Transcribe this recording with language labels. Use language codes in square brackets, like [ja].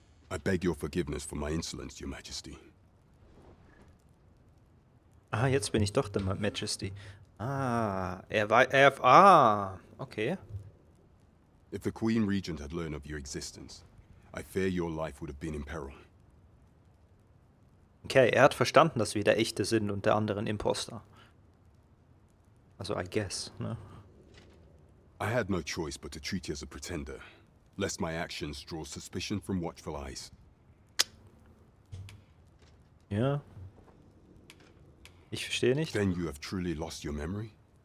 [en] I beg your forgiveness for my insolence, Your Majesty. [de] Ah, jetzt bin ich doch der Majesty. Okay. [en] If the Queen Regent had learned of your existence, I fear your life would have been in peril. [de] Okay, hat verstanden, dass wir der echte sind und der anderen Imposter. [en] Also, I guess, [de] ne? [en] I had no choice but to treat you as a pretender, lest my actions draw suspicion from watchful eyes. [de] Ja. Ich verstehe nicht. [en] Then you have truly lost your memory?